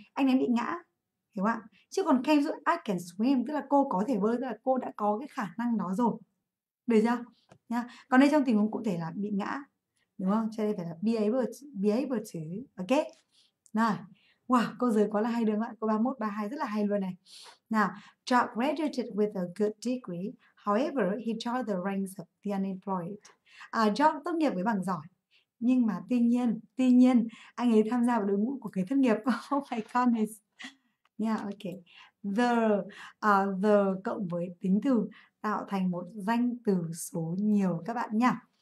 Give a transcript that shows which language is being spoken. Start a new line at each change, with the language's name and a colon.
Vietnamese: Anh ấy bị ngã, hiểu không ạ? Chứ còn
English: can I can swim,
Vietnamese: tức là cô có thể bơi, tức là cô đã có cái khả năng đó rồi. Được chưa? Nha. Còn đây trong tình huống cụ thể là bị ngã, đúng không? Cho nên phải là be able to. Ok. Rồi. Wow, cô giới quá là hay đúng không ạ? Cô 31, 32 rất là hay luôn này. Nào,
English: Chuck graduated with a good degree. However, he joined the ranks of the unemployed.
Vietnamese: Chuck tốt nghiệp với bằng giỏi. Nhưng mà tuy nhiên anh ấy tham gia vào đội ngũ của kẻ thất nghiệp.
English: Oh my goodness.
Vietnamese: Ok. The cộng với tính từ tạo thành một danh từ số nhiều các bạn nhá.